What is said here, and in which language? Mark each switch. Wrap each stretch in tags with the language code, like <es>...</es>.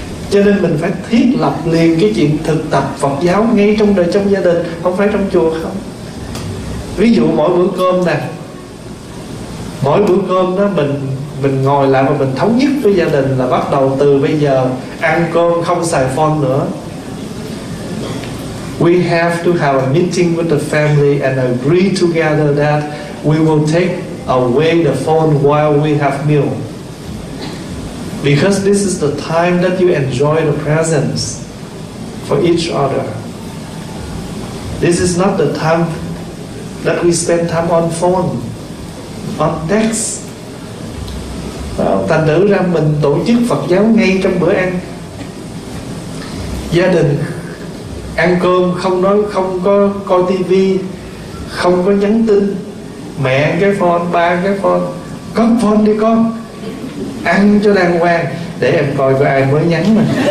<vi>Cho nên mình phải thiết lập liền cái chuyện thực tập Phật giáo ngay trong đời, trong gia đình, không phải trong chùa không. Ví dụ mỗi bữa cơm nè, mỗi bữa cơm đó mình ngồi lại và mình thống nhất với gia đình là bắt đầu từ bây giờ ăn cơm không xài phone nữa.</vi> <en>We have to have a meeting with the family and agree together that we will take away the phone while we have meal. Because this is the time that you enjoy the presence for each other. This is not the time that we spend time on phone, on text.</en> <vi>Thành thử ra mình tổ chức Phật giáo ngay trong bữa ăn. Gia đình ăn cơm không nói, không có coi tivi, không có nhắn tin. Mẹ ăn cái phone, ba ăn cái phone. Cất phone đi con, ăn cho đàng hoàng, để em coi có ai mới nhắn mà.</vi>